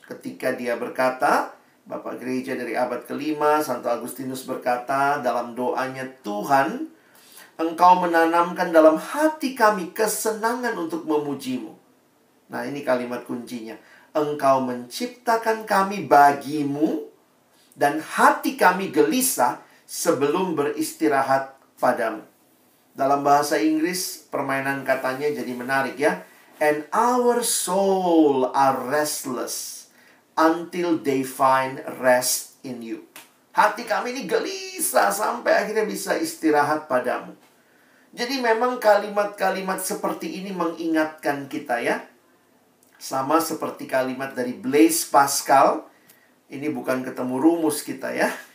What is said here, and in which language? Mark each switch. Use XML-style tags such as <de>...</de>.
<id>Ketika dia berkata, Bapak Gereja dari abad kelima, Santo Agustinus berkata dalam doanya, Tuhan, Engkau menanamkan dalam hati kami kesenangan untuk memujimu. Nah, ini kalimat kuncinya. Engkau menciptakan kami bagimu, dan hati kami gelisah sebelum beristirahat padamu. Dalam bahasa Inggris, permainan katanya jadi menarik, ya.</id> <en>And our soul are restless until they find rest in you.</en> <id>Hati kami ini gelisah sampai akhirnya bisa istirahat padamu. Jadi memang kalimat-kalimat seperti ini mengingatkan kita, ya. Sama seperti kalimat dari Blaise Pascal, ini bukan ketemu rumus kita, ya.</id>